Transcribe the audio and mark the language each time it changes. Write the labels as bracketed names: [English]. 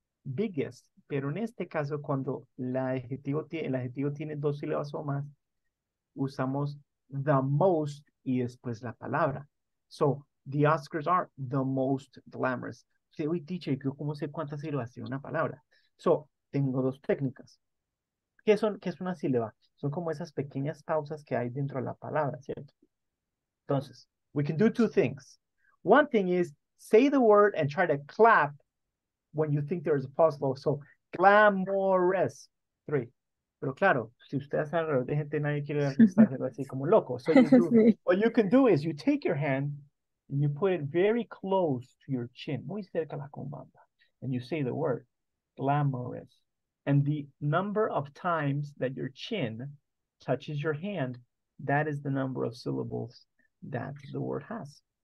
[Spanish] Biggest. Pero en este caso, cuando el adjetivo tiene dos sílabas o más, usamos the most y después la palabra. [English] So, the Oscars are the most glamorous. [Spanish] Si hoy teacher, yo cómo sé cuántas sílabas tiene una palabra. So, tengo dos técnicas. ¿Qué es una sílaba? Son como esas pequeñas pausas que hay dentro de la palabra, ¿cierto? Entonces, [English] we can do two things. One thing is say the word and try to clap when you think there is a pause. So, glamorous. Three. [Spanish] Pero claro, si usted hace alrededor de gente, nadie quiere estar haciendo así como loco. [English] So you do, [Spanish] Sí. [English] what you can do is you take your hand and you put it very close to your chin, [Spanish] muy cerca a la combanda, [English] and you say the word, glamorous. And the number of times that your chin touches your hand, that is the number of syllables that the word has.